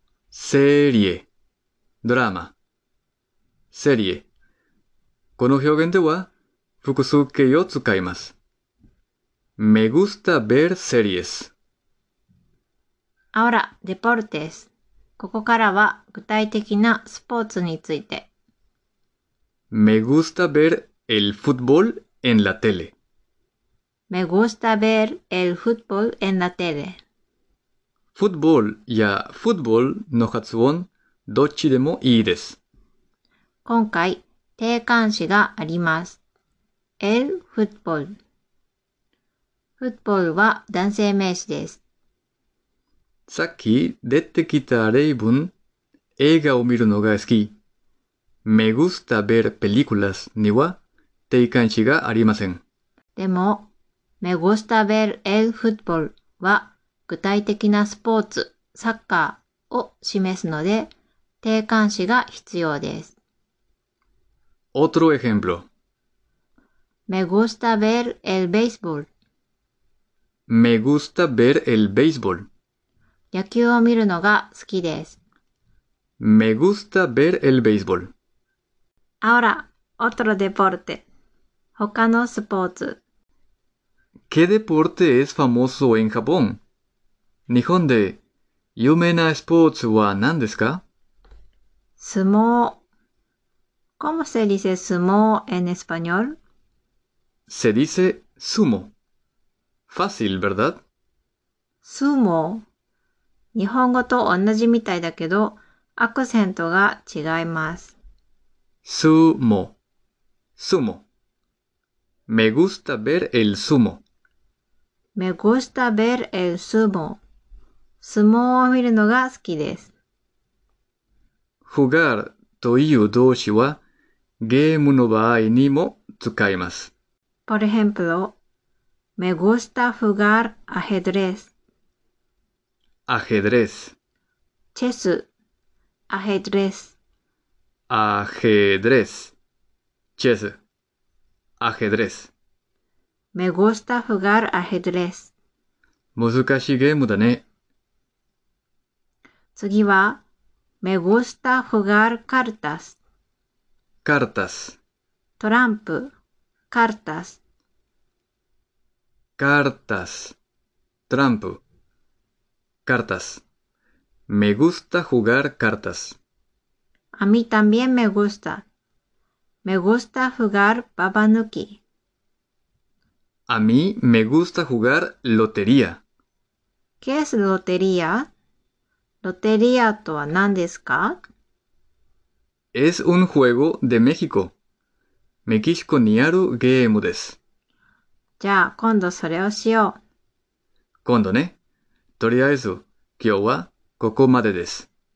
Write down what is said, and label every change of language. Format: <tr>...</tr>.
<es>serie。 ドラマ。serie。</es> <ja>この表現では複数形を使います。</ja> <es>Me gusta ver series. Ahora, deportes.</es> <ja>ここからは具体的なスポーツについて。</ja> <es>Me gusta ver el fútbol en la tele. Me gusta ver el fútbol en la tele.</es> <ja>Fútbol やフットボールの発音、どっちでもいいです。今回、定冠詞があります。</ja> <es>El fútbol。</es> <ja>フットボールは男性名詞です。さっき出てきた例文、映画を見るのが好き。</ja> <es>Me gusta ver películas</es> <ja>には定冠詞がありません。でも、</ja> <es>Me gusta ver el fútbol</es> <ja>は具体的なスポーツ、サッカーを示すので、定冠詞が必要です。</ja> <es>Otro ejemplo. Me gusta ver el béisbol. Me gusta ver el béisbol.</es> <ja>野球を見るのが好きです。</ja> <es>Me gusta ver el béisbol. Ahora, otro deporte.</es> <ja>他のスポーツ。</ja> <es>¿Qué deporte es famoso en Japón?</es> <ja>日本で有名なスポーツは何ですか？相撲。</ja> <es>¿Cómo se dice sumo en español? Se dice sumo. Fácil, ¿verdad? Sumo.</es> <ja>日本語と同じみたいだけど、アクセントが違います。</ja> <es>Sumo. Sumo. Me gusta ver el sumo. Me gusta ver el sumo.</es> <ja>相撲を見るのが好きです。</ja> <es>Jugar</es> <ja>という動詞は、ゲームの場合にも使います。</ja> <es>Por ejemplo, me gusta jugar ajedrez. Ajedrez. Chess. Ajedrez. Ajedrez. Chess. Ajedrez. Me gusta jugar ajedrez.</es> <ja>難しいゲームだね。次は、</ja> <es>me gusta jugar cartas.</es> <ja>カルタス。トランプ。カルタス。カルタス。トランプ。カルタス。</ja> <es>Me gusta jugar cartas. A mí también me gusta. Me gusta jugar babanuki. A mí me gusta jugar lotería. ¿Qué es lotería? ¿Lotería</es> <ja>とは何ですか？</ja> <es>Es un juego de México.</es> <ja>メキシコにあるゲームです。じゃあ、今度それをしよう。今度ね。とりあえず、今日はここまでです。</ja>